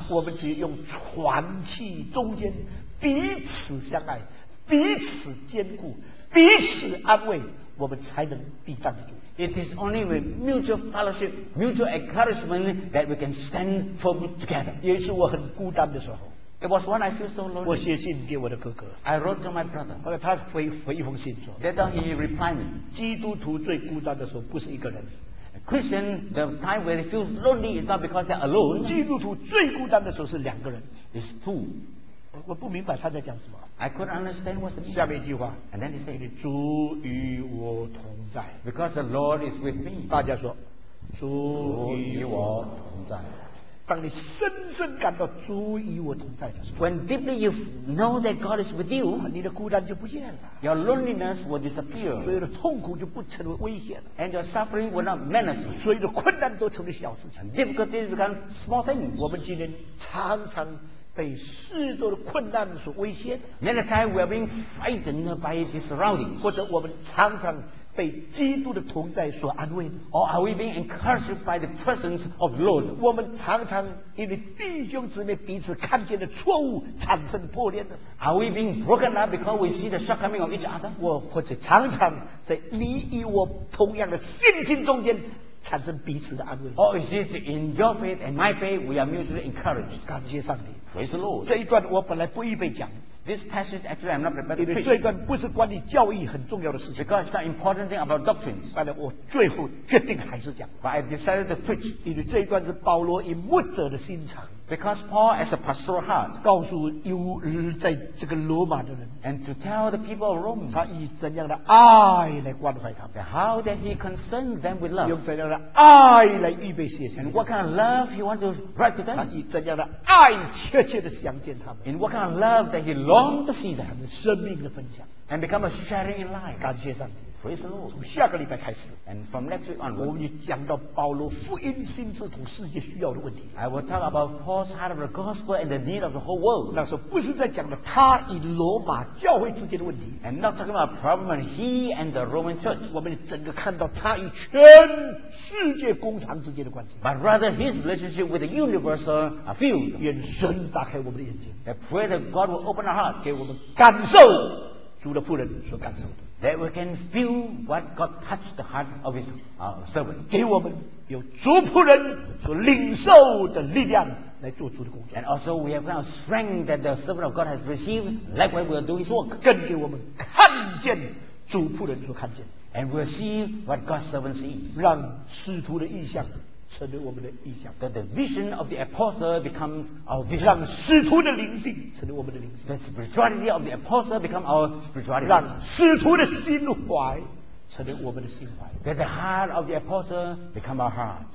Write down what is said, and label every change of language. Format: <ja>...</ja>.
<zh>我们只用喘气中间彼此相爱，彼此坚固，彼此安慰，我们才能抵挡住。</zh> <en>It is only with mutual fellowship, mutual encouragement that we can stand firm together.</en> <zh>也是我很孤单的时候。</zh> <en>It was when I feel so lonely.</en> <zh>我写信给我的哥哥。</zh> <en>I wrote to my brother.</en> <zh>后来他回一封信说。</zh> <en>That time he replied me.</en> <zh>基督徒最孤单的时候不是一个人。</zh> <en>Christian, the time when he feels lonely is not because they're alone.</en> <zh>基督徒最孤单的时候是两个人。</zh> <en>It's two.</en> <zh>我不明白他在讲什么。</zh> <en>I couldn't understand what's the.</en> <zh>下面一句话。</zh> <en>And then he said,</en> <zh>主与我同在。</zh> <en>Because the Lord is with me.</en> <zh>大家说，主与我同在。当你深深感到主与我同在的时候</zh> <en>，When deeply you know that God is with you，</en> <zh>你的孤单就不见了</zh> <en>，Your loneliness will disappear，</en> <zh>所有的痛苦就不成为危险了</zh> <en>，And your suffering will not menace you，</en> <zh>所有的困难都成为小事情</zh> <en>，Difficulties become small things。</en> <zh>我们今天常常被许多的困难所威胁</zh> <en>，Many times we are being frightened by the surroundings，</en> <zh>或者我们常常。被基督的同在所安慰</zh> <en>Or are we being encouraged by the presence of the Lord?</en> <zh>我们常常因为弟兄姊妹彼此看见的错误产生破裂</zh> <en>Are we being broken up because we see the shortcoming of each other?</en> <zh>我或者常常在你与我同样的信心中间产生彼此的安慰</zh> <en>Or is it in your faith and my faith we are mutually encouraged?</en> <zh>感谢上帝</zh> <en>Praise the Lord</en> <zh>这一段我本来不预备讲</zh> <en>This passage actually I'm not prepared to preach.</en> <zh>因为这段不是关于教义很重要的事情。</zh> <en>Because it's not important thing about doctrines.</en> <zh>但是我最后决定还是讲。</zh> <en>But I decided to preach.</en> <zh>因为这一段是保罗以牧者的心肠。</zh> <en>Because Paul as a pastoral heart.</en> <zh>告诉犹在这个罗马的人。</zh> <en>And to tell the people of Rome.</en> <zh>他以怎样的爱来关怀他们。</zh> <en>How did he concern them with love?</en> <zh>用怎样的爱来预备写信。</zh> <en>And what kind of love he wants to write to them?</en> <zh>他以怎样的爱切切地想见他们。</zh> <en>And what kind of love that he long to see them.</en> <zh>他们生命的分享。</zh> <en>And become a sharing in life.</en> <zh>感谢上帝。</zh> <en>Praise the Lord.</en> <zh>从下个礼拜开始</zh> <en>，and from next week on，</en> <zh>我们就讲到保罗福音心智图世界需要的问题。</zh> <en>I will talk about Paul's heart of the gospel and the need of the whole world。</en> <zh>那时候不是在讲的他与罗马教会之间的问题</zh> <en>，and not talking about problem of he and the Roman Church。</en> <zh>我们整个看到他与全世界工厂之间的关系</zh> <en>，but rather his relationship with the universal field。</en> <zh>愿神打开我们的眼睛</zh> <en>，I pray that God will open our heart，</en> <zh>给我们感受主的仆人所感受的。</zh> <en>That we can feel what God touched the heart of His servant.</en> <zh>给我们有主仆人所领受的力量来做主的工作。</zh> <en>And also we have found strength that the servant of God has received, likewise we will do His work.</en> <zh>更给我们看见主仆人所看见。</zh> <en>And we'll see what God's servant sees.</en> <zh>让使徒的意象成为我们的意象。</zh> <en>That the vision of the apostle becomes our vision.</en> <zh>让使徒的灵性成为我们的灵性。</zh> <en>The spirituality of the apostle becomes our spirituality.</en> <zh>让使徒的心怀成为我们的心怀。</zh> <en>That the heart of the apostle becomes our heart.</en>